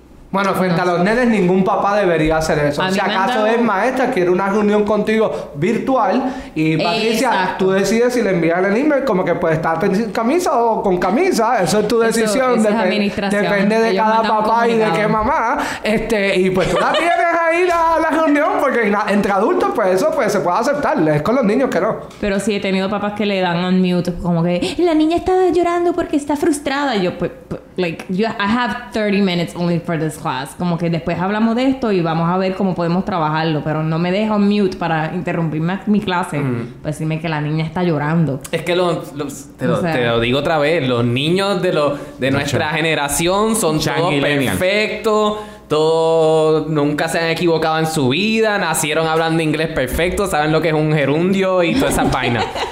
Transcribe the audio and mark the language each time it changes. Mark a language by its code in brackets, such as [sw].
[es] Bueno, frente a los nenes ningún papá debería hacer eso. Si acaso es maestra, quiere una reunión contigo virtual y Patricia, tú decides si le envías el email, como que puede estar sin camisa o con camisa, eso es tu decisión. Esa es administración. Depende de cada papá y de qué mamá. Y pues tú la tienes ahí. ir a la reunión porque entre adultos pues eso pues se puede aceptar, es con los niños que no. Pero sí he tenido papás que le dan unmute como que la niña está llorando porque está frustrada. Y yo [en] I have 30 minutes only for this class. [es] Como que después hablamos de esto y vamos a ver cómo podemos trabajarlo, pero no me deja unmute para interrumpir mi clase, para decirme que la niña está llorando. Es que te lo digo otra vez, los niños de nuestra generación son todos perfectos. Todos nunca se han equivocado en su vida, nacieron hablando inglés perfecto, saben lo que es un gerundio y toda esa vaina.